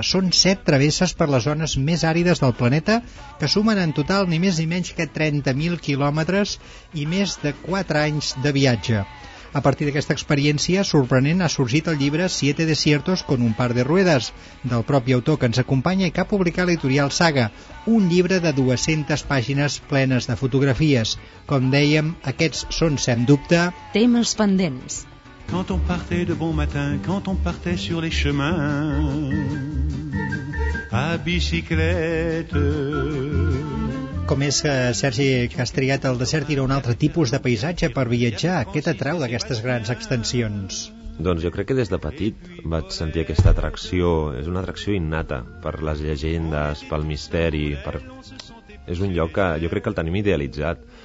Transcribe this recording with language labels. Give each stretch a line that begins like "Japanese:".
Catalan: Són 7 travesses per les zones més àrides del planeta, que sumen en total ni més ni menys que 30.000 quilòmetres i més de 4 anys de viatge. A partir d'aquesta experiència sorprenent ha sorgit el llibre Siete desiertos con un par de ruedas, del propi autor que ens acompanya i que ha publicat l'editorial Saga, un llibre de 200 pàgines plenes de fotografies. Com dèiem, aquests són, sens dubte, temes pendents.
French: Quand on partait de bon matin, quand on partait sur les chemins, à bicyclette.
Catalan: Com és, Sergi, que has triat el desert i no un altre tipus de paisatge per viatjar? Què t'atrau d'aquestes grans extensions? Doncs jo crec que des de petit vaig sentir aquesta atracció. És una atracció innata per les llegendes, pel misteri. És un lloc que jo crec que el tenim idealitzat.